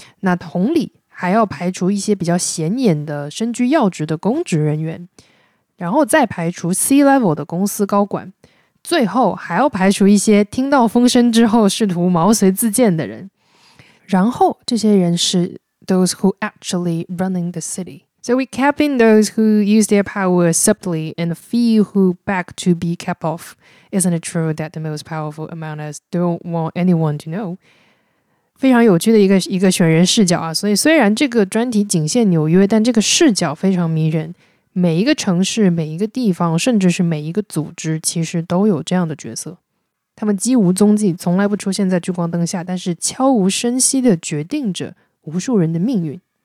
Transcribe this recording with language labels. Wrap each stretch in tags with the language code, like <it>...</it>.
<zh>那同理还要排除一些比较显眼的身居要职的公职人员，然后再排除 C-level 的公司高管，最后还要排除一些听到风声之后试图毛遂自荐的人。然后这些人是</zh> <en>those who actually running the city. So we kept in those who use their power subtly and few who beg to be kept off. Isn't it true that the most powerful among us don't want anyone to know?</en> <zh>非常有趣的一个选人视角啊，所以虽然这个专题仅限纽约，但这个视角非常迷人。每一个城市，每一个地方，甚至是每一个组织，其实都有这样的角色。他们几无踪迹，从来不出现在聚光灯下，但是悄无声息地决定着无数人的命运。</zh>